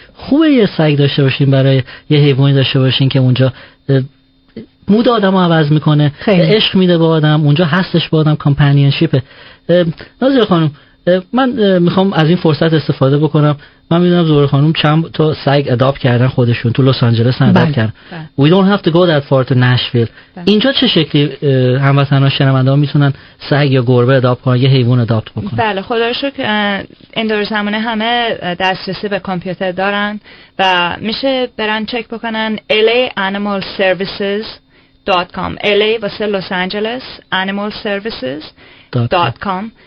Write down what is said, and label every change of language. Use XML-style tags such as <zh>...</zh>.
<fa>خوبه یه سعی داشته باشین، برای یه حیوانی داشته باشین که اونجا مود آدم رو عوض میکنه، خیلی عشق میده به آدم، اونجا هستش با آدم، کمپانیونشیپه. نازیه خانم، من میخوام از این فرصت استفاده بکنم. من میدونم زهره خانم چند تا سگ اداپت کردن خودشون تو لس آنجلس، اداپت کردن.</fa> <en>We don't have to go that far to Nashville.</en> <fa>اینجا چه شکلی هموطنان شنونده‌ها میتونن سگ یا گربه اداپت کنن، یه حیوان اداپت بکنن؟ بله خدا رو شکر این دور زمانه همه دسترسی به کامپیوتر دارن و میشه برن چک بکنن laanimalservices.com، LA واسه لس آنجلس، animalservices.com.</fa>